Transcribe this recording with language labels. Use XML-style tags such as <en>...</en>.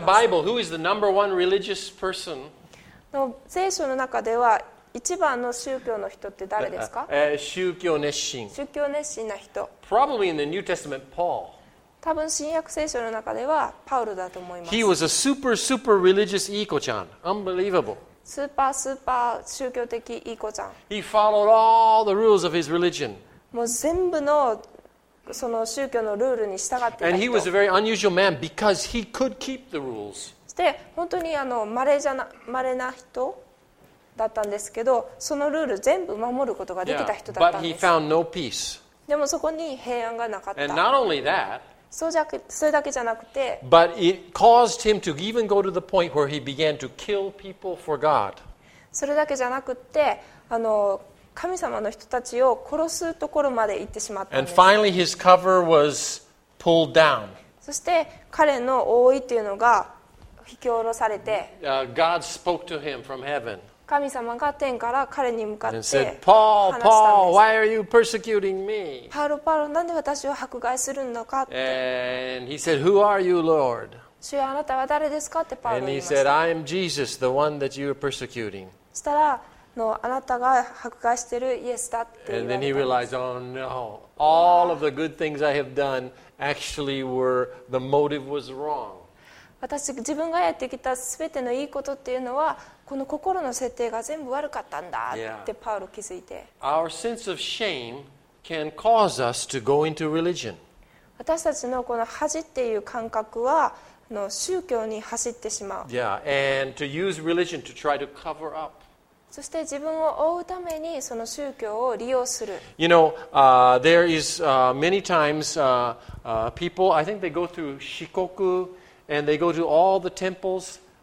<en>In the Bible, who is the number one religious person?</en> <ja>の聖書の中では一番の宗教の人って誰ですか？宗教熱心。宗教熱心な人。</ja> <en>Probably in the New Testament, Paul.</en> <ja>多分新約聖書の中ではパウロだと思います。</ja> <en>He was a super, super religious eco-chan. Unbelievable.</en> <ja>スーパースーパー宗教的イコちゃん。</ja> <en>He followed all the rules of his religion.</en> <ja>もう全部のその宗教のルールに従ってた人。</ja> <en>And he was a very unusual man because he could keep the rules.</en> <ja>そして本当にあの稀な人だったんですけど、そのルール全部守ることができた人だったんです。</ja> <en>But he found no peace.</en> <ja>でもそこに平安がなかった。</ja> <en>And not only that,</en> <ja>それだけじゃなくて、</ja> <en>But it caused him to even go to the point where he began to kill people for God.</en> <ja>それだけじゃなくて、あの神様の人たちを殺すところまで行ってしまったんです。</ja> <en>And finally his cover was pulled down.</en> <ja>そして彼の覆いというのが引き下ろされて、</ja> <en>God spoke to him from heaven.</en> <ja>神様が天から彼に向かって話したんです。</ja> <en>And said, Paul, Paul, why are you persecuting me?</en> <ja>パウロ、パウロ、なんで私を迫害するのかって。</ja> <en>And he said, who are you, Lord?</en> <ja>主よ、あなたは誰ですかってパウロ言いました</ja> <en>And he said, I am Jesus, the one that you are persecuting.</en> <ja>そしたら、あなたが迫害してるイエスだって言われたんです。</ja> <en>And then he realized, oh no, all of the good things I have done actually were, the motive was wrong.</en> <ja>私自分がやってきた全てのいいことっていうのはこの心の設定が全部悪かったんだってパウロ気づいて、</ja> <en>yeah. Our sense of shame can cause us to go into religion.</en> <ja>私たちのこの恥っていう感覚はの宗教に走ってしまう。</ja> <en>Yeah, and to use religion to try to cover up.</en> <ja>そして自分を覆うためにその宗教を利用する。</ja> <en>You know, there is many times people, I think they go through 四国And they go to all the temples.</en>